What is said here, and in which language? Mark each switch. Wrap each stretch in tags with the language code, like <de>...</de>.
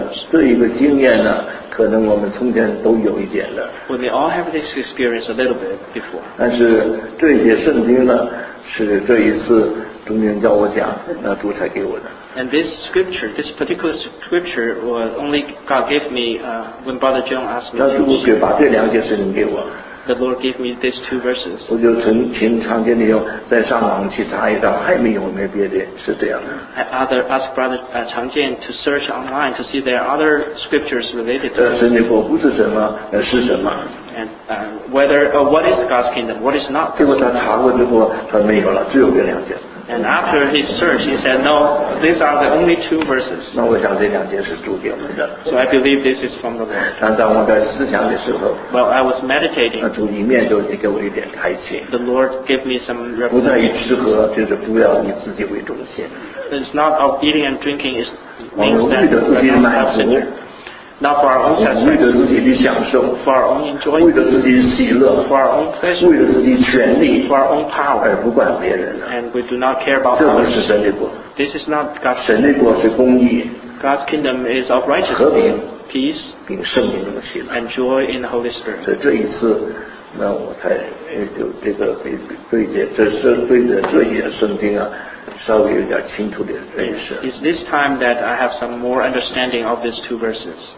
<zh>这一个经验呢，可能我们从前都有一点了。</zh> <en>We may all have this experience a little bit before.</en> <zh>但是这些圣经呢，是这一次中间叫我讲，那主才给我的。</zh> <en>And this scripture, this particular scripture was only God gave me when Brother John asked me.</en> <zh>那主给把这两节圣经给我。</zh> <en>The Lord gave me these two verses.</en> <zh>我就从前常见的用，再上网去查一查，还没有没别的，是这样的。</zh> <en>I other ask brother</en> <zh>常见</zh> <en>to search online to see there are other scriptures related to.</en> <zh>神的国不是什么，是什么</zh> <en>？And whether what is God's kingdom, what is not?</en> <zh>结果他查过之后，他没有了，只有这两节。</zh> <en>And after his search, he said, "No, these are the only two verses."</en> <zh>那我想这两节是主给我们的。</zh> <en>So I believe this is from the Lord.</en> <zh>但当我在思想的时候</zh> <en>，Well, I was meditating.</en> <zh>那主一面就给我一点开启。</zh> <en>The Lord gave me some.</en> <zh>不在于吃喝，就是不要以自己为中心。</zh> <en>It's not of eating and drinking. It means that we are not self-centered. Not for our own satisfaction.</en> <zh>为了自己的享受</zh> <en>，for our own enjoyment.</en> <zh>为了自己的喜乐</zh> <en>，for our own pleasure.</en> <zh>为了自己权利</zh> <en>，for our own power.</en> <zh>而不管别人了。</zh> <en>And we do not care about.</en> <zh>这不是神的国。</zh> <en>This is not God's.</en> <zh>神的国是公义。</zh> <en>God's kingdom is of righteousness.</en> <zh>和平</zh> <en>，peace.</en> <zh>并圣灵的喜乐</zh> <en>，and joy in the Holy Spirit.</en> <zh>所以这一次，那我才就这个对这这是对着这些圣经啊。稍微有点清楚的认识。</zh> <en>It's this time that I have some more understanding of these two verses.</en>